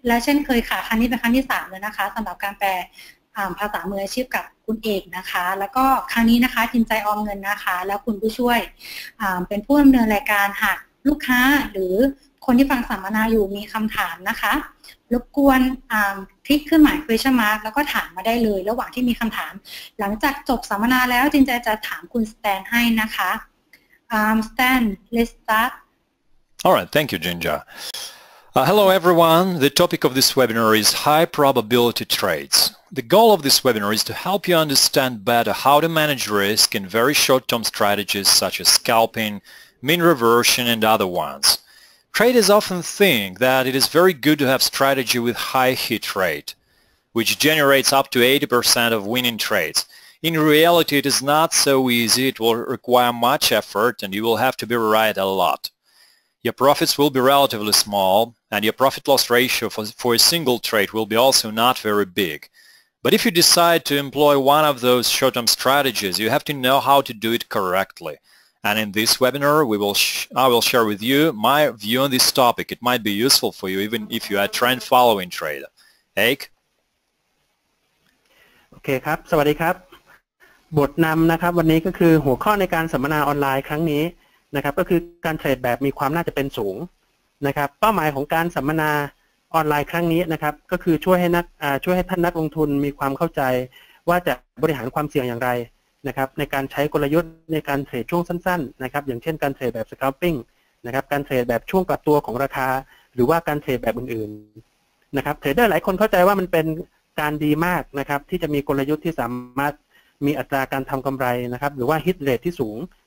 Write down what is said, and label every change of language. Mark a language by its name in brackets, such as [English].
[Thai] นเคยค่ะครั้งนี้เป็นครั้งที่3แล้วนะคะสำหรับการแปลภาษามืออาชีพกับคุณเอกนะคะแล้วก็ครั้งนี้นะคะทินใจออมเงินนะคะแล้วคุณผู้ช่วยเป็นผู้ดำเนินรายการหากลูกค้าหรือคนที่ฟังสัมมนาอยู่มีคำถามนะคะรบกวนคลิกขึ้นหมาย question mark แล้วก็ถามมาได้เลยระหว่างที่มีคำถามหลังจากจบสัมมนาแล้วทินใจจะถามคุณสแตนให้นะคะ [English] Stan, let's start. All right, thank you, Ginger. Hello, everyone. The topic of this webinar is high probability trades. The goal of this webinar is to help you understand better how to manage risk in very short-term strategies such as scalping, mean reversion, and other ones. Traders often think that it is very good to have strategy with high hit rate, which generates up to 80% of winning trades. In reality, it is not so easy, it will require much effort, and you will have to be right a lot. Your profits will be relatively small, and your profit-loss ratio for a single trade will be also not very big. But if you decide to employ one of those short-term strategies, you have to know how to do it correctly. And in this webinar, I will share with you my view on this topic. It might be useful for you, even if you are a trend-following trader. Eik? Okay, [Thai] ครับ สวัสดีครับบทนำนะครับวันนี้ก็คือหัวข้อในการสัมมนาออนไลน์ครั้งนี้นะครับก็คือการเทรดแบบมีความน่าจะเป็นสูงนะครับเป้าหมายของการสัมมนาออนไลน์ครั้งนี้นะครับก็คือช่วยให้ ท่านนักลงทุนมีความเข้าใจว่าจะบริหารความเสี่ยงอย่างไรนะครับในการใช้กลยุทธ์ในการเทรดช่วงสั้นๆนะครับอย่างเช่นการเทรดแบบ scalping นะครับการเทรดแบบช่วงกลับตัวของราคาหรือว่าการเทรดแบบอื่นๆนะครับเทรดเดอร์หลายคนเข้าใจว่ามันเป็นการดีมากนะครับที่จะมีกลยุทธ์ที่สามารถมีอัตราการทำกำไรนะครับหรือว่า hit rate ที่สูง